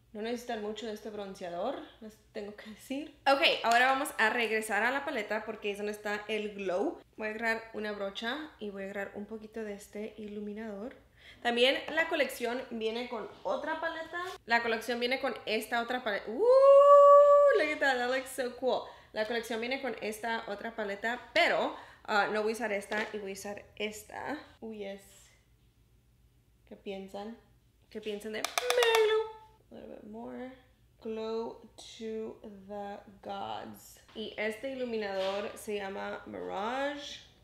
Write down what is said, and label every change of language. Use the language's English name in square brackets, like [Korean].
[Spanish] No necesitan mucho de este bronceador, les tengo que decir. Ok, ahora vamos a regresar a la paleta porque es donde está el glow. Voy a agarrar una brocha y voy a agarrar un poquito de este iluminador. También la colección viene con otra paleta. La colección viene con esta otra paleta. [English] Look at that, that looks so cool. [Spanish] La colección viene con esta otra paleta, pero no voy a usar esta y voy a usar esta. Yes. ¿Qué piensan? ¿Qué piensan de Melo? [English] A little bit more. Glow to the gods. [Spanish] Y este iluminador se llama Mirage.